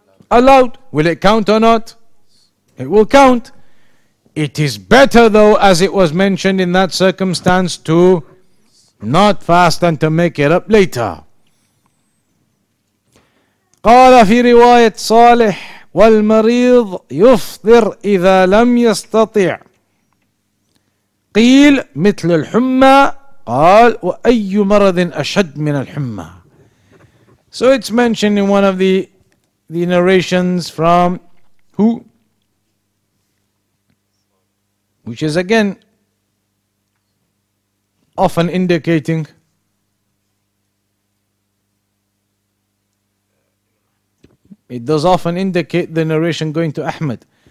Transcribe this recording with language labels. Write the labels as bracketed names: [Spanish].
[English] Allowed. Will it count or not? It will count. It is better though, as it was mentioned in that circumstance, to not fast and to make it up later. [Arabic] قال في رواية صالح والمريض يفطر إذا لم يستطيع قيل مثل الحمى قال وأي مرض أشد من الحمى. [English] So it's mentioned in one of the narrations from who? Which is again often indicating it does often indicate the narration going to Ahmed.